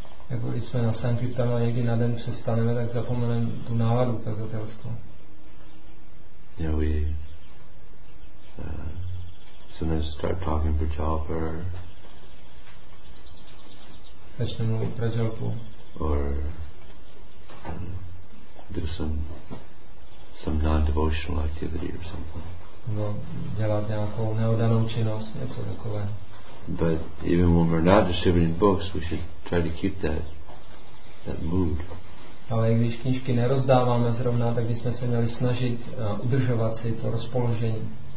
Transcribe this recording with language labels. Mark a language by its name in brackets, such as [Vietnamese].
[Czech] Jako když jsme na Sankirtanu a někdy na den přestaneme, tak zapomeneme tu náladu kazatelskou. [English] Yeah, we sometimes start talking for japa or do some non-devotional activity or something. [Czech] No, dělat nějakou neodanou činnost, něco takové. [English] But even when we're not distributing books, we should try to keep that mood. [Czech] Ale i když knížky nerozdáváme zrovna, tak bychom se měli snažit udržovat si to rozpoložení.